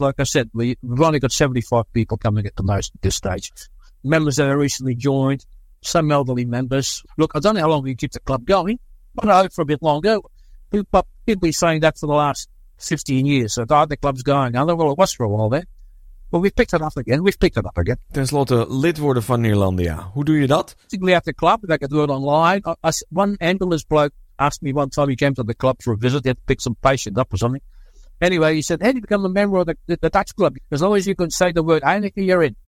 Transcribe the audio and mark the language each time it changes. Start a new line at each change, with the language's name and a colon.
English: Like I said, we've only got 75 people coming at the most at this stage. Members that have recently joined, some elderly members. Look, I don't know how long we keep the club going, but I hope for a bit longer. People have been saying that for the last 15 years. So the club's going. Well, it was for a while then. But we've picked it up again.
Dutch: Ten slotte, lid worden van Neerlandia. Hoe doe je dat?
English: Basically at the club, they can do it online. One ambulance bloke asked me one time, he came to the club for a visit. He had to pick some patient up or something. Anyway, he said, hey, you become a member of the Dutch club. As long as you can say the word Heineken, you're in.